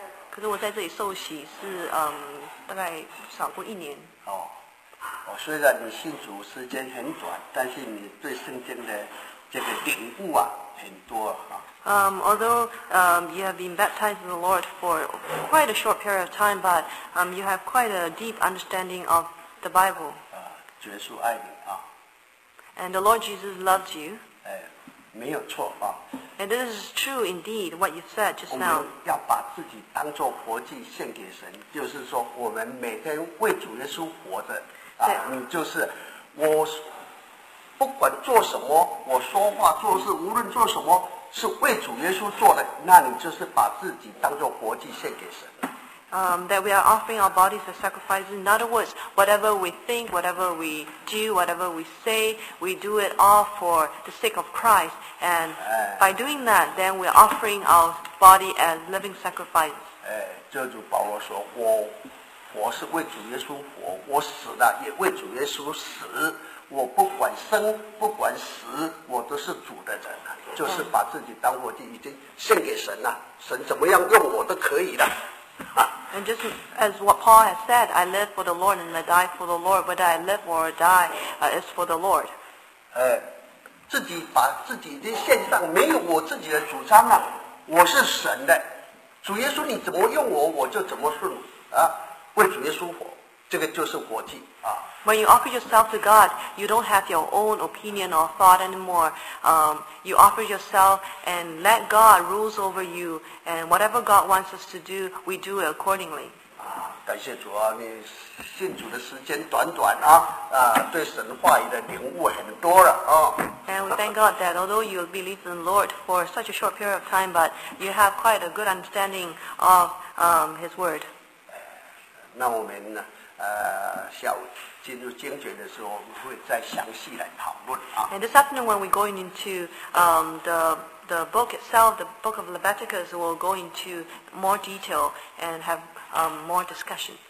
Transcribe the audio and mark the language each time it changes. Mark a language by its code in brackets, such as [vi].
[zh] 可是我在这里受洗是大概少过一年。哦，虽然你信主时间很短，但是你对圣经的这个领悟啊很多啊。 [en] Although you have been baptized with the Lord for quite a short period of time, but you have quite a deep understanding of the Bible. [zh] 主耶稣爱你啊。 [en] And the Lord Jesus loves you. [zh] 没有错啊。 [en] And it is true indeed what you said just now. [zh] 我们要把自己当作活祭献给神，就是说我们每天为主耶稣活着。啊，你就是我，不管做什么，我说话做事，无论做什么是为主耶稣做的，那你就是把自己当作活祭献给神。 [en] That we are offering our bodies as sacrifices. In other words, whatever we think, whatever we do, whatever we say, we do it all for the sake of Christ. And by doing that, then we are offering our body as living sacrifice. [zh] 这就保罗说，我是为主耶稣活，我死了也为主耶稣死。我不管生不管死，我都是主的人了，就是把自己当活祭，已经献给神了。神怎么样用我都可以的。 [en] And just as what Paul has said, I live for the Lord and I die for the Lord. Whether I live or I die, it's for the Lord. [zh] 自己把自己的献上，没有我自己的主张了。我是神的，主耶稣，你怎么用我，我就怎么顺啊，为主耶稣活，这个就是活祭啊。 [en] When you offer yourself to God, you don't have your own opinion or thought anymore. You offer yourself and let God rule over you. And whatever God wants us to do, we do it accordingly. [zh] 感谢主啊，你信主的时间短短啊，对神话语的领悟很多了啊。 [en] And we thank God that although you believe in the Lord for such a short period of time, but you have quite a good understanding of His Word. [zh] 那我们呢？下午进入经卷的时候，我们会再详细来讨论啊。 [en] And this afternoon, when we're going into the book itself, the book of Leviticus, we'll go into more detail and have more discussion.